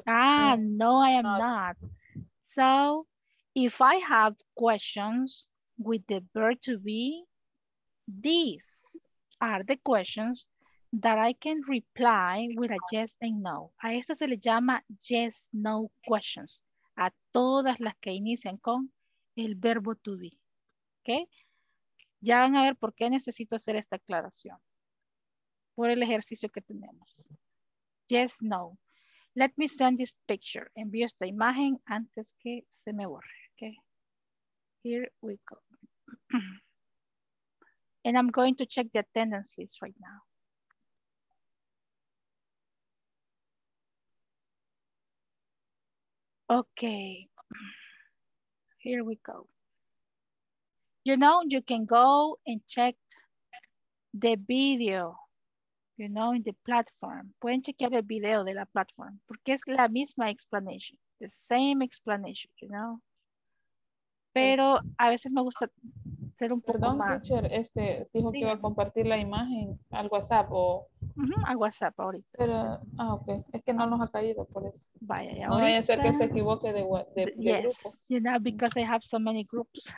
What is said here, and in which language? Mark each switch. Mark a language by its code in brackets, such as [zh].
[en] Ah, no, I am not. So, if I have questions with the verb to be, these are the questions that I can reply with a yes and no. [es] A eso se le llama [en] yes, no questions. [es] A todas las que inician con el verbo to be. Okay? Ya van a ver por qué necesito hacer esta aclaración. Por el ejercicio que tenemos. Yes, no. [en] Let me send this picture. [es] Envío esta imagen antes que se me borre. [en] Okay, here we go. And I'm going to check the attendance list right now. Okay, here we go. You know, you can go and check the video, you know, in the platform. [es] Pueden chequear el video de la platform, porque es la misma explanation, [en] the same explanation, you know. [es] Pero a veces me gusta hacer un poco más. Perdón, teacher, dijo que iba a compartir la imagen al WhatsApp o... A WhatsApp ahorita. Pero, ok, es que no nos ha caído por eso. Vaya, ya. No vaya a ser que se equivoque de [en] yes, [es] grupo. [en] Yes, you know, because I have so many groups.